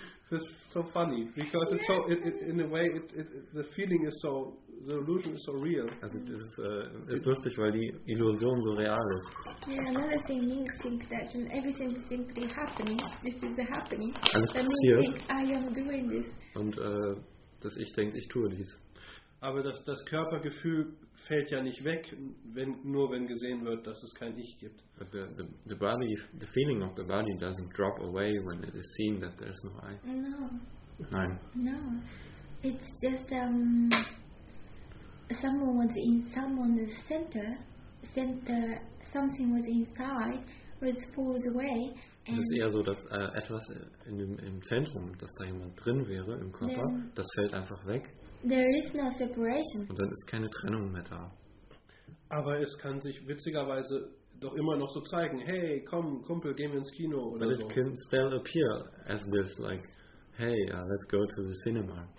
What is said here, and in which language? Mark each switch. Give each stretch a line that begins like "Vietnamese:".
English: This is so funny because it's so, in a way, the feeling is so the illusion is so real.
German: Also das ist, ist lustig, weil die Illusion so real ist.
English: Yeah, another thing means think that and everything is simply happening. This is the happening.
German: Alles passiert.
English: I am doing this.
German: Und dass ich denke, ich tue dies. Aber das Körpergefühl fällt ja nicht weg, wenn gesehen wird, dass es kein Ich gibt.
English: But the body, the feeling of the body doesn't drop away when it is seen that there is no I. No.
German: Nein.
English: No. It's just someone was in someone's center, something was inside, was falls away.
German: Es ist eher so, dass etwas im Zentrum, dass da jemand drin wäre im Körper, das fällt einfach weg.
English: There is no separation.
German: Und dann ist keine Trennung mehr da. Aber es kann sich witzigerweise doch immer noch so zeigen, hey, komm, Kumpel, gehen wir ins Kino oder
English: but
German: so.
English: It can still appear as this, like, hey, let's go to the cinema.